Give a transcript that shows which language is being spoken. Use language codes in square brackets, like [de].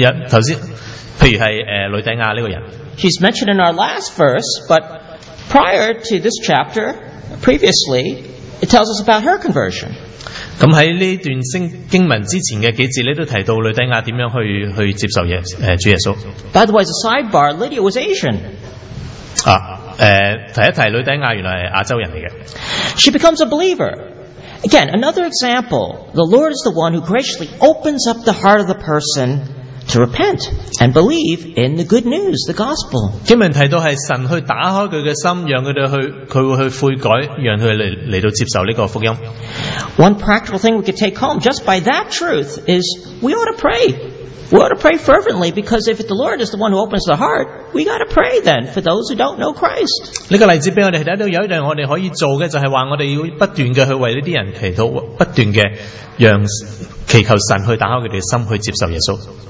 [yue] 头先，譬如系吕底亚呢个人。 [en] He's mentioned in our last verse, but prior to this chapter, previously, it tells us about her conversion. [yue] 咁喺呢段聖經文之前嘅幾節咧，都提到女底亞點樣去接受主耶穌。 [en] By the way, a sidebar, Lydia was Asian. [yue] 提一提女底亞原來係亞洲人嚟嘅。 [en] She becomes a believer. Again, another example. The Lord is the one who graciously opens up the heart of the person to repent and believe in the good news, the gospel. [yue] 經文提到係神去打開佢嘅心，讓佢哋去，佢會去悔改，讓佢嚟到接受呢個福音。 [en] One practical thing we could take home just by that truth is we ought to pray. We ought to pray fervently because if the Lord is the one who opens the heart, we got to pray then for those who don't know Christ. [yue] 呢個例子俾我哋睇到有一樣我哋可以做嘅，就係話我哋要不斷嘅去為呢啲人祈禱，不斷嘅讓祈求神去打開佢哋嘅心去接受耶穌。